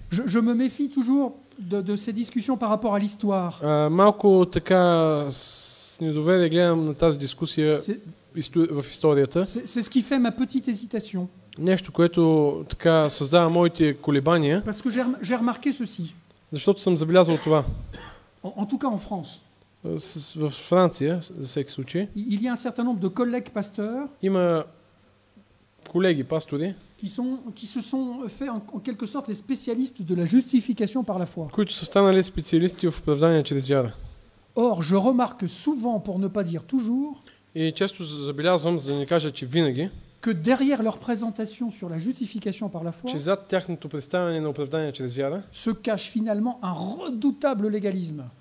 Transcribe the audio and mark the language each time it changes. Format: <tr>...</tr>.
<fr>Je me méfie toujours de ces discussions par rapport à l'histoire.</fr> <bg>Малко така с недоверие гледам на тази дискусия в историята.</bg> <fr>C'est ce qui fait ma petite hésitation.</fr> <bg>Нещо, което така създава моите колебания.</bg> <fr>Parce que j'ai remarqué ceci.</fr> <bg>Защото съм забелязал това.</bg> <fr>En tout cas en France.</fr> <bg>В Франция, за всеки случай.</bg> <fr>Il y a un certain nombre de collègues pasteurs.</fr> <bg>Има колеги пастори,</bg> <fr>qui se sont fait en quelque sorte les spécialistes de la justification par la foi.</fr> <bg>Които са станали специалисти в оправдание чрез вяра.</bg> <fr>Or, je remarque souvent, pour ne pas dire toujours,</fr> <bg>и често забелязвам, за да не кажа, че винаги,</bg> <fr>que derrière leur présentation sur la justification par la foi,</fr> <bg>че зад тяхното представяне на оправдание чрез вяра,</bg> <fr>se cache finalement un redoutable légalisme.</fr>